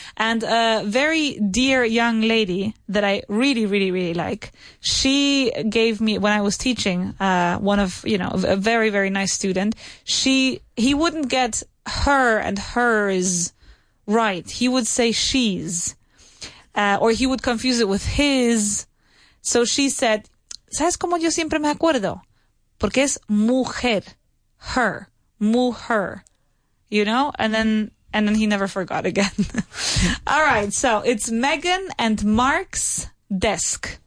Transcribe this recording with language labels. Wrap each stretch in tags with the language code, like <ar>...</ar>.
<en>And a very dear young lady that I really, really, really like, she gave me, when I was teaching, one of, you know, a very, very nice student, he wouldn't get her and hers right. He would say she's, or he would confuse it with his. So she said,</en> <es>¿sabes cómo yo siempre me acuerdo? Porque es mujer, her.</es> <en>Mujer, you know, and then he never forgot again. All right, so it's Megan and Mark's desk.</en>